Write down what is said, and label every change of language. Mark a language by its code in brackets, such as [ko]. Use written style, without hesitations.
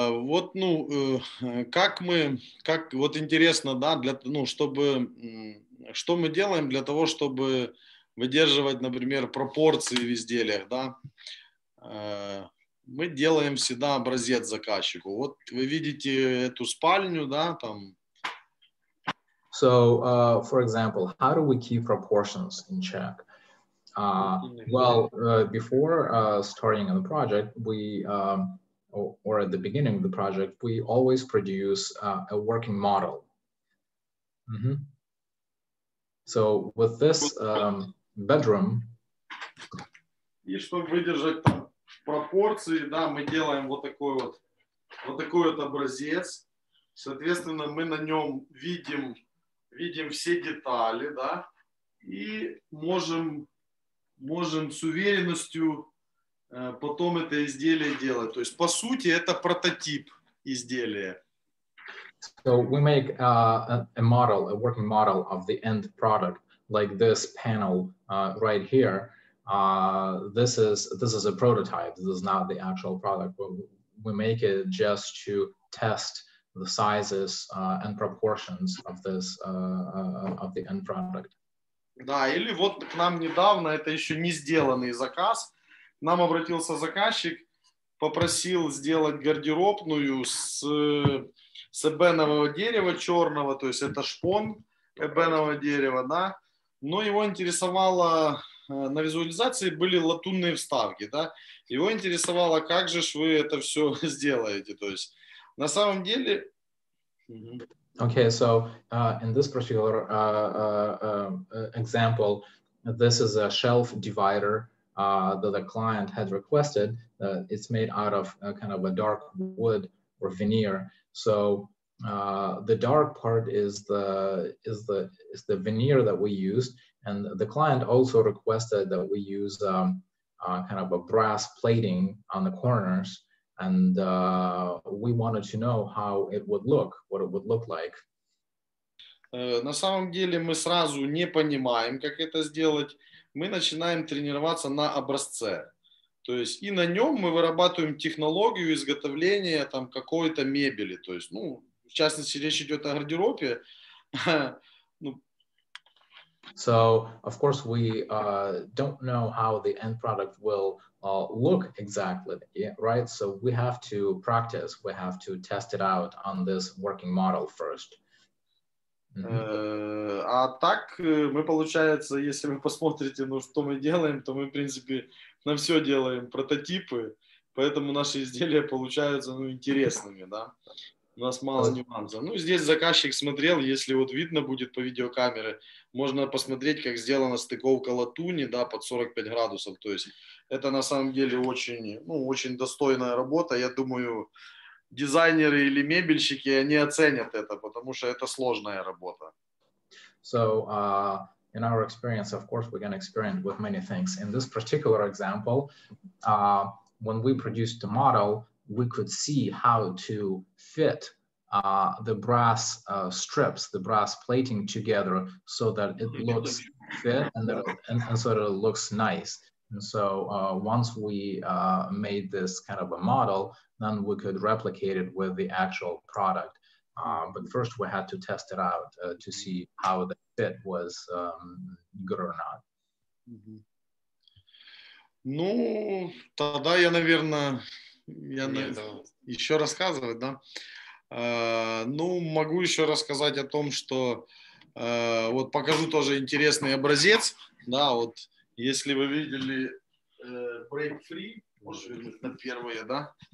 [ru] Вот, ну, как мы, как, вот интересно, да, для, ну, чтобы, что мы делаем для того, чтобы выдерживать, например, пропорции в изделиях, да, мы делаем всегда образец заказчику. Вот вы видите эту спальню, да, там. [en] So, for example, how do we keep proportions in check? Well, before starting on the project, we... or at the beginning of the project, we always produce a working model. Mm-hmm. So with this bedroom... [ru] И чтобы выдержать там пропорции, да, мы делаем вот такой вот образец. Соответственно, мы на нем видим все детали, да, и можем с уверенностью потом это изделие делать. То есть, по сути, это прототип изделия. [en] So we make a model, a working model of the end product, like this panel right here. This is a prototype. This is not the actual product. We make it just to test the sizes and proportions of this of the end product. [ru] Да, или вот к нам недавно, это еще не сделанный заказ. Нам обратился заказчик, попросил сделать гардеробную с эбенового дерева черного, то есть это шпон эбенового дерева, да. Но его интересовало, на визуализации были латунные вставки, да. Его интересовало, как же вы это все сделаете, то есть на самом деле... [en] Okay, so in this particular example, this is a shelf divider. That the client had requested, that it's made out of a kind of a dark wood or veneer. So the dark part is the veneer that we used, and the client also requested that we use kind of a brass plating on the corners, and we wanted to know how it would look, what it would look like. [ru] На самом деле мы сразу не понимаем, как это сделать. Мы начинаем тренироваться на образце. То есть и на нем мы вырабатываем технологию изготовления там какой-то мебели. То есть, ну, в частности, речь идет о гардеробе. [en] So, of course, we don't know how the end product will look exactly, right? So we have to practice, we have to test it out on this working model first. [ru] А так мы, получается, если вы посмотрите, ну, что мы делаем, то мы, в принципе, на все делаем прототипы, поэтому наши изделия получаются, ну, интересными, да, у нас мало нюансов. Ну, здесь заказчик смотрел, если вот видно будет по видеокамере, можно посмотреть, как сделана стыковка латуни, да, под 45 градусов, то есть это на самом деле очень, ну, очень достойная работа, я думаю, дизайнеры или мебельщики, они оценят это, потому что это сложная работа. [en] So, in our experience, of course, we can experience with many things. In this particular example, when we produced the model, we could see how to fit the brass strips, the brass plating together so that it looks fit and sort of looks nice. And so once we made this kind of a model, then we could replicate it with the actual product. But first we had to test it out to see how the fit was good or not. Mm-hmm. [ru] Ну, тогда я, наверное, я не, да. еще рассказывать, да? Ну, могу еще рассказать о том, что вот покажу тоже интересный образец, да, вот если вы видели BreakFree, может быть, на первое, да?